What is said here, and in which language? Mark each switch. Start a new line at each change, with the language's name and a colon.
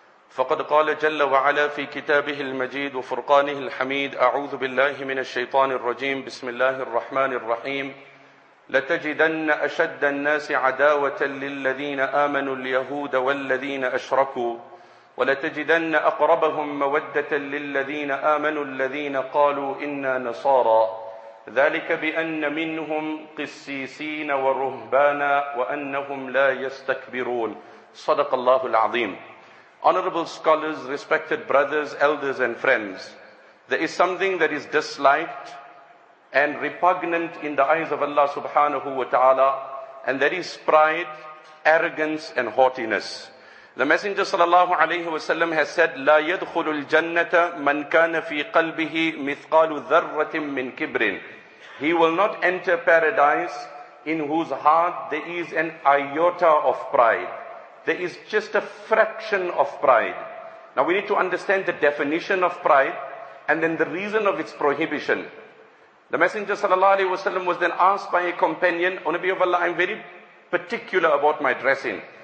Arabic: Faqad Qala Jalla Wa Ala Fi Kitabihi Al-Majid Wa Furqanihi Al-Hamid, A'udhu Billahi Minash Shaitanir Rajim, Bismillahir Rahmanir Rahim, لتجدن أشد الناس عداوة للذين آمنوا اليهود والذين أشركوا ولتجدن أقربهم مودة للذين آمنوا الذين قالوا إنا نصارى ذلك بأن منهم قسيسين ورهبانا وأنهم لا يستكبرون صدق الله العظيم.
English: Honorable scholars, respected brothers, elders and friends, there is something that is disliked and repugnant in the eyes of Allah subhanahu wa ta'ala, and that is pride, arrogance and haughtiness. The Messenger sallallahu alayhi wa sallam has said,
Arabic: لا يدخل الجنة من كان في قلبه مثقال ذرة من كبر.
English: He will not enter paradise in whose heart there is an iota of pride. There is just a fraction of pride. Now we need to understand the definition of pride and then the reason of its prohibition. The Messenger sallallahu alayhi wa sallam was then asked by a companion, O Nabi of Allah, I'm very particular about my dressing.